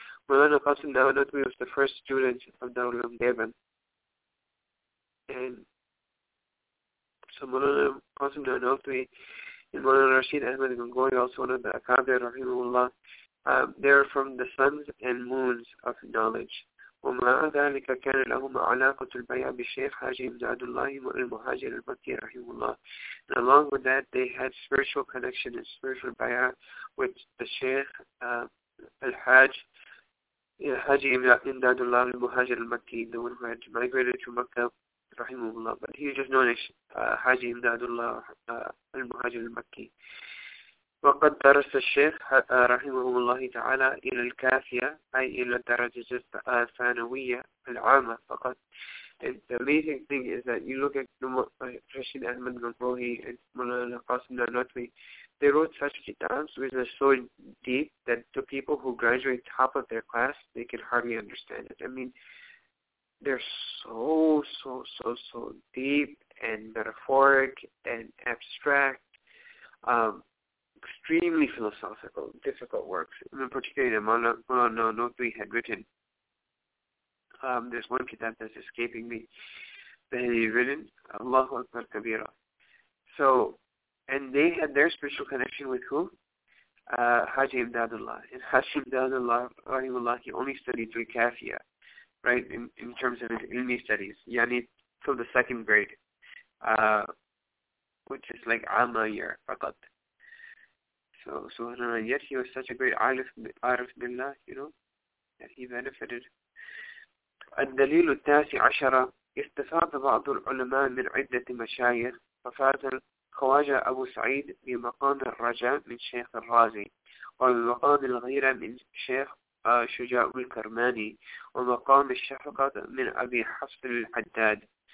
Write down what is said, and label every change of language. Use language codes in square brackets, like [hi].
[en] مولانا قاسم نانوتوي was the first student of Darul Uloom Deoband. مولانا قاسم نانوتوي and مولانا رشيد أحمد جنجوهي also one of the أكابر رحمه الله. They are from the suns and moons of knowledge. [ar] ومع ذلك كان لهما علاقة البيع بالشيخ حاجي بن عبد الله المهاجر المكي رحمه الله. [en] And along with that, they had spiritual connection and spiritual بيع with the Sheikh الحاج حاجي بن عبد الله المهاجر المكي, the one who had migrated to Mecca رحمه الله. But he was just known as حاجي بن عبد الله المهاجر المكي. [ar] وقد درس الشيخ رحمه الله تعالى إلى الكافية أي إلى الدرجة الثانوية العامة فقط. [en] And the amazing thing is that you look at Rashid Ahmed Gangohi and Mulana Qasim Nanotwi, they wrote such kitabs which are so deep that the people who graduate top of their class, they can hardly understand it. I mean, they're so deep and metaphoric and abstract. Extremely philosophical, difficult works. In particular, Mawlana Nanotwi had written, there's one kitab that's escaping me, that he had written, Allahu Akbar Kabira. So, and they had their spiritual connection with who? Haji Imdadullah. And Haji Imdadullah, he only studied through Kafia, right, in terms of his ilmi studies, yani till the second grade, which is like Amma year, faqat. So yet he was such a great arif billah, you know, that he benefited. [ar] الدليل التاسع عشر استفاد بعض العلماء من عدة مشايخ ففاز خواجة أبو سعيد بمقام الرجاء من شيخ الرازي ومقام الغيرة من شيخ شجاع الكرماني ومقام الشفقة من أبي حفص العداد.